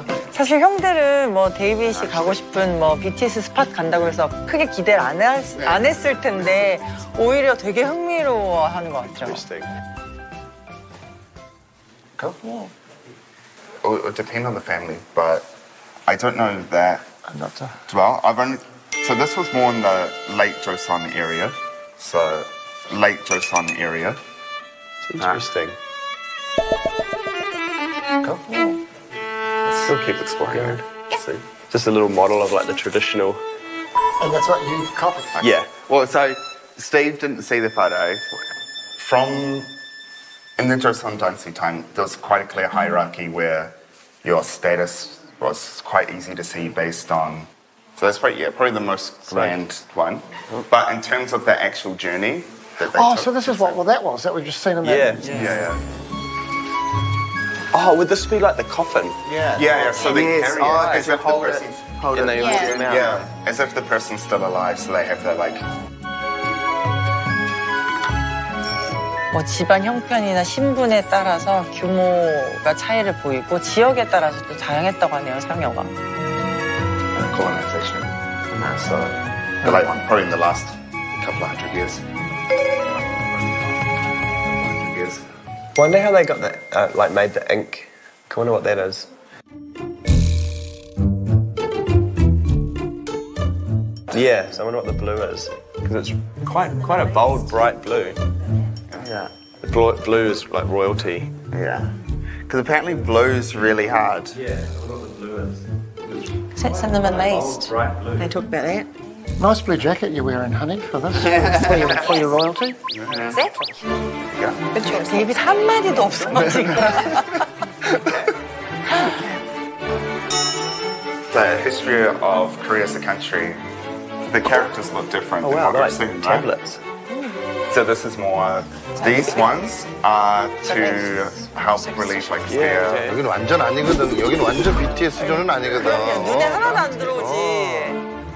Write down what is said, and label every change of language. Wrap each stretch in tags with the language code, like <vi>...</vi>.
<ko>사실 형들은 뭐 데이비드 씨 가고 싶은 뭐 BTS 스팟 간다고 해서 크게 기대를 안 했을 텐데 오히려 되게 흥미로워하는 것 같아요.</ko> <en>Interesting. Go for it. It depends on the family, but I don't know that. I'm not too. Well, I've only so this was more in the late Joseon area, so late Joseon area. It's interesting. Go for it. Still keep exploring. Yeah. So just a little model of like the traditional. And that's what you copied. Okay. Yeah. Well, so Steve didn't see the photo. From in the Joseon Dynasty time, there was quite a clear hierarchy where your status was quite easy to see based on. So that's probably the most grand one. But in terms of the actual journey that they took, so this is what that was that we've just seen in that. Yeah. Oh, would this be like the coffin? Yeah. So they carry it. As if the person... Hold it. Yeah, as if the person's still alive, so they have their, like...</en> <ko>뭐 집안 형편이나 신분에 따라서 규모가 차이를 보이고 지역에 따라서 또 다양했다고 하네요, 상여가.</ko> <en>Colonization. So, like, probably in the last couple of hundred years. Wonder how they got made the ink. I wonder what that is. Yeah, so I wonder what the blue is. Because it's quite a bold, bright blue. Yeah. The blue is like royalty. Yeah. Because apparently blue is really hard. Yeah, I wonder what the blue is. Is that in the Middle East? They talk about that. Nice blue jacket you're wearing, honey, for this. for your royalty. Is it? Yeah. David, 한 The history of Korea as a country, the characters look different than what we've seen, right? Tablets. So this is more, these ones are to help relieve like fear.</en> <ko>여긴 완전 아니거든. 여긴 완전 BTS 수준은 아니거든. 눈에 하나도 안 들어오지.</ko>